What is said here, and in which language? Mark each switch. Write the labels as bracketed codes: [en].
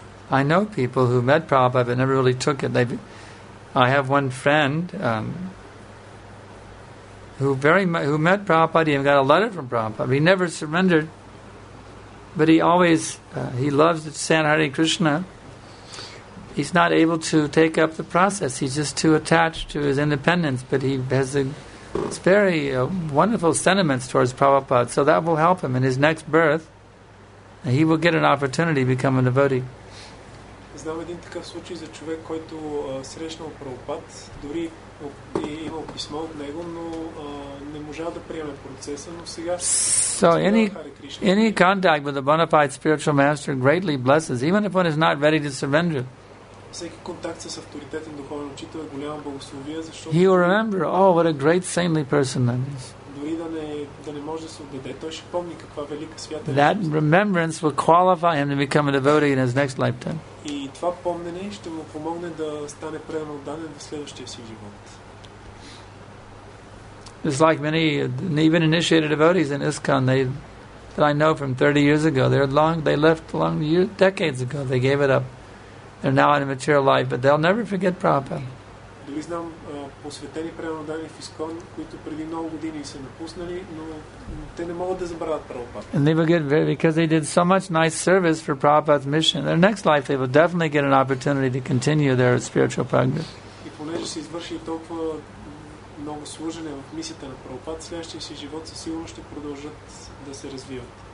[en] I know people who met Prabhupada but never really took it. I have one friend who met Prabhupada and got a letter from Prabhupada. He never surrendered, but he always he loves to chant Hare Krishna. He's not able to take up the process. He's just too attached to his independence, but he has wonderful sentiments towards Prabhupada, so that will help him in his next birth. He will get an opportunity to become a devotee. [bg] Знам един такъв случай за човек, който срещнал Прабхупад, дори е имал писмо от него, но не можа да приеме процеса, но сега... [en] So any contact with a bona fide spiritual master greatly blesses, even if one is not ready to surrender. [bg] Всеки контакт с авторитетен духовен учител е голяма благословия, защото... [en] He will remember, oh, what a great saintly person that is. [bg] Дори да не може да се убеде, той ще помни каква велика свята е. [en] That remembrance will qualify him to become a devotee in his next lifetime. [bg] И това помнене ще му помогне да стане предан отдаден в следващия си живот. [en] It's like many, even initiated devotees in ISKCON, that I know from 30 years ago, they left long years, decades ago, they gave it up. They're now in a material life, but they'll never forget Prabhupada. [bg] Дори знам посветени преданни в ИСКОН, които преди много години са напуснали, но те не могат да забравят Прабхупада. [en] And they will get very, because they did so much nice service for Prabhupada's mission, their next life they will definitely get an opportunity to continue their spiritual progress. [bg] И понеже са извършили толкова много служене в мисията на Прабхупада, следващия си живот със сигурност ще продължат да се развиват.